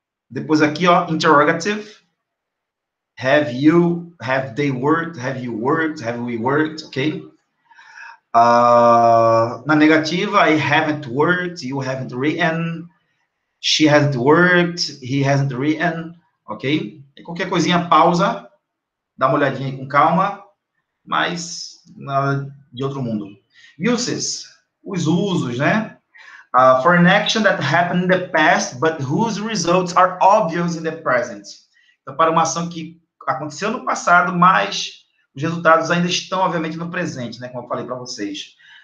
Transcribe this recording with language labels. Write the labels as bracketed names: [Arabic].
[Portuguese] Depois aqui, ó, [English] interrogative. Have they worked? Have you worked? Have we worked? Ok? [Portuguese] Na negativa, [English] I haven't worked, you haven't written, She hasn't worked, he hasn't written, ok? [Portuguese] E qualquer coisinha, pausa, dá uma olhadinha com calma, mas nada de outro mundo. [English] Uses, [Portuguese] os usos, né? [English] For an action that happened in the past, but whose results are obvious in the present. [Portuguese] Então, para uma ação que aconteceu no passado, mas os resultados ainda estão, obviamente, no presente, né? Como eu falei para vocês.